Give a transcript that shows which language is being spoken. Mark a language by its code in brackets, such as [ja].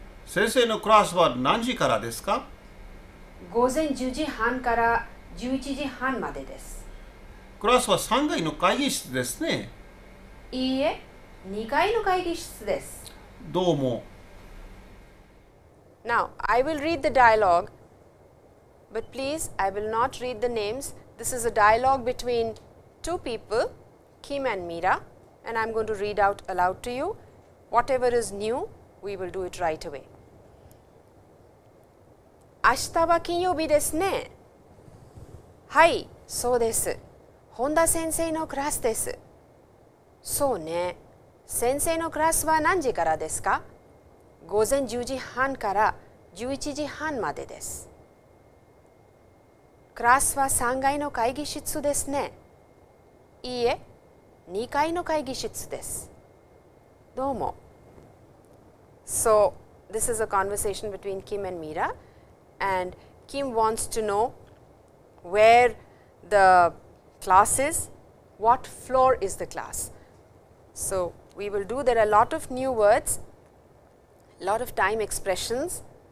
[ja] 先生のクラスは何時からですか？午前10時半から11時半までです。クラスは3階の会議室ですね。いいえ、2階の会議室です。どうも。 [en] Now, I will read the dialogue, but please, I will not read the names. This is a dialogue between two people, Kim and Mira, and I'm going to read out aloud to you. Whatever is new, we will do it right away. [ja] 明日は金曜日ですね。はい、そうです。本田先生のクラスです。そうね。先生のクラスは何時からですか？午前10時半から11時半までです。クラスは3階の会議室ですね。いいえ、2階の会議室です。どうも。 [en] So, this is a conversation between Kim and Mira, and Kim wants to know where the class is, what floor is the class. So, we will do, there are a lot of new words, a lot of time expressions.